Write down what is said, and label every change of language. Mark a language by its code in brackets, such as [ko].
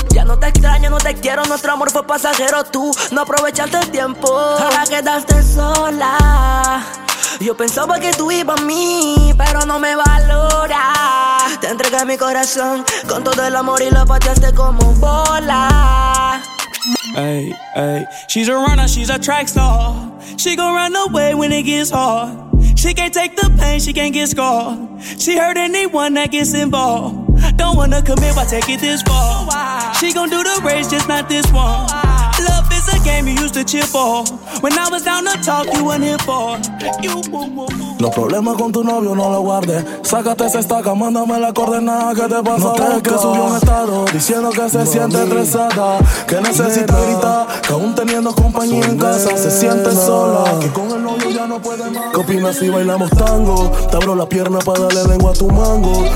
[es] Ya no te extraño, no te quiero, nuestro amor fue pasajero. Tú no aprovechaste el tiempo. Ahora quedaste sola. Yo pensaba que tú ibas a mí, pero no me valora. Te entregué mi corazón con todo el amor y lo pateaste como bola. [en] Ay, ay, she's a runner, she's a track star. She gon' run away when it gets hard. She can't take the pain, she can't get scarred. She hurt anyone that gets involved. Don't wanna commit, why take it this far? She gon' do the race, just not this one. Love is a game you used to cheer for. When I was down to talk, you weren't here for. You move. [es] Los problemas con tu novio no los guardes. Sácate esa estaca, mándame la coordenada. ¿Qué te pasa? No te que subió un estado diciendo que se siente estresada. Que necesita gritar, que aún teniendo compañía en casa se siente sola. Que con el novio ya no puede más. ¿Qué opinas si bailamos tango? Te abro la pierna para darle lengua a tu mango.